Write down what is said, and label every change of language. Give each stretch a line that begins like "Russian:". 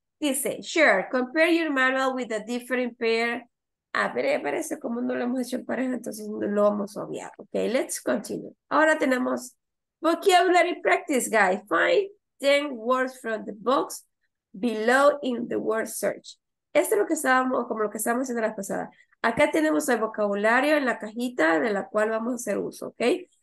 English: Dice, sure, compare your manual with a different pair.
Spanish: Ah, pero parece como no lo hemos hecho en pareja, entonces no lo vamos a obviar.
English: Ok, let's continue.
Spanish: Ahora tenemos
English: vocabulary practice guide. Find 10 words from the box below in the word search.
Spanish: Esto es lo que estábamos, como lo que estábamos haciendo la pasada. Acá tenemos el vocabulario en la cajita de la cual vamos a hacer uso, ¿ok?